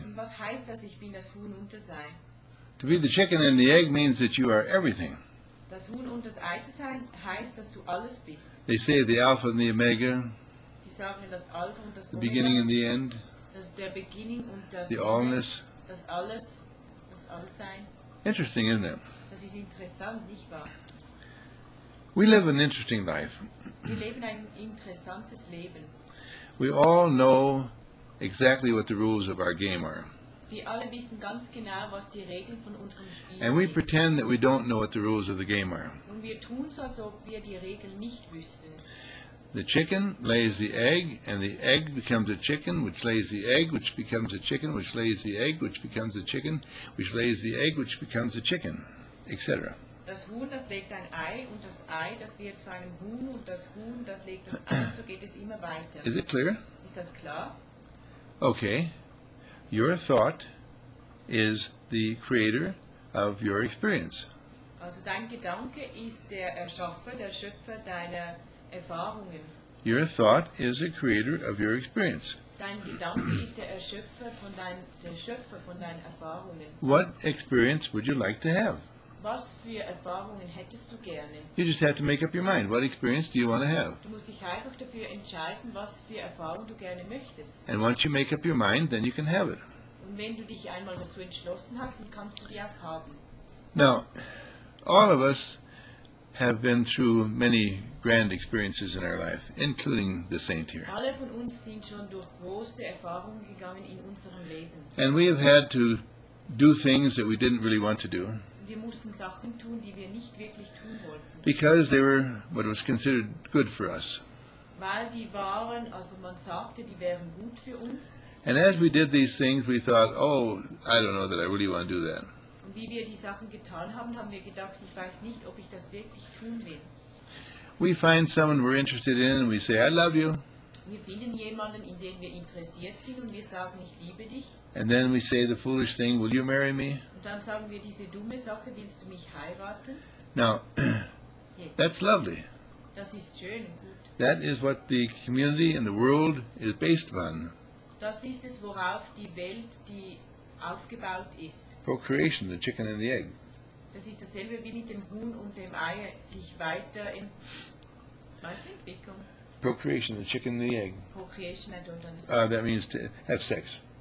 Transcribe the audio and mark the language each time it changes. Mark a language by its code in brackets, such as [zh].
[de] Und was heißt das, ich bin das Huhn und das Ei? [en] To be the chicken and the egg means that you are everything. [de] Das Huhn und das Ei zu sein heißt, dass du alles bist. [en] They say the Alpha and the Omega. [de] Die sagen das Alpha und das [en] Omega. Beginning and the end. [de] Das der Beginning und das [en] the allness. [de] Das alles. Das Allsein. [en] Interesting, isn't it? [de] Das ist interessant, nicht wahr? [en] We live an interesting life. [de] Wir leben ein interessantes Leben. [en] We all know exactly what the rules of our game are. [de] Wir alle wissen ganz genau, was die Regeln von unserem Spiel sind. [en] And we pretend that we don't know what the rules of the game are. [de] Und wir tun so, als ob wir die Regeln nicht wüssten. [en] The chicken lays the egg, and the egg becomes a chicken, which lays the egg, which becomes a chicken, which lays the egg, which becomes a chicken, which lays the egg, which becomes a chicken, etc. [de] Das Huhn, das legt ein Ei, und das Ei, das wird zu einem Huhn, und das Huhn, das legt das Ei, so geht es immer weiter. [en] Is it clear? [de] Ist das klar? [en] Okay. Your thought is the creator of your experience. [de] Also dein Gedanke ist der Erschaffer, der Schöpfer deiner Erfahrungen. [en] Your thought is the creator of your experience. [de] Dein Gedanke ist der Erschöpfer von dein, der Schöpfer von deinen Erfahrungen. [en] What experience would you like to have? [de] Was für Erfahrungen hättest du gerne? [en] You just have to make up your mind. What experience do you want to have? [de] Du musst dich einfach dafür entscheiden, was für Erfahrungen du gerne möchtest. [en] And once you make up your mind, then you can have it. [de] Und wenn du dich einmal dazu entschlossen hast, dann kannst du die auch haben. [en] Now, all of us have been through many grand experiences in our life, including the saint here. [de] Alle von uns sind schon durch große Erfahrungen gegangen in unserem Leben. [en] And we have had to do things that we didn't really want to do. [de] Wir mussten Sachen tun, die wir nicht wirklich tun wollten. [en] Because they were what was considered good for us. [de] Weil die waren, also man sagte, die wären gut für uns. [en] And as we did these things, we thought, oh, I don't know that I really want to do that. [de] Und wie wir die Sachen getan haben, haben wir gedacht, ich weiß nicht, ob ich das wirklich tun will. [en] We find someone we're interested in and we say, I love you. [de] Wir finden jemanden, in den wir interessiert sind und wir sagen, ich liebe dich. [en] And then we say the foolish thing, will you marry me? [de] Und dann sagen wir diese dumme Sache, willst du mich heiraten? [en] Now, that's lovely. [de] Das ist schön und gut. [en] That is what the community and the world is based on. [de] Das ist es, worauf die Welt, die aufgebaut ist. [en] Procreation, the chicken and the egg. [de] Das ist dasselbe wie mit dem Huhn und dem Ei, sich weiter in Entwicklung. [en] Procreation, the chicken and the egg. Procreation, I don't understand. That means to have sex.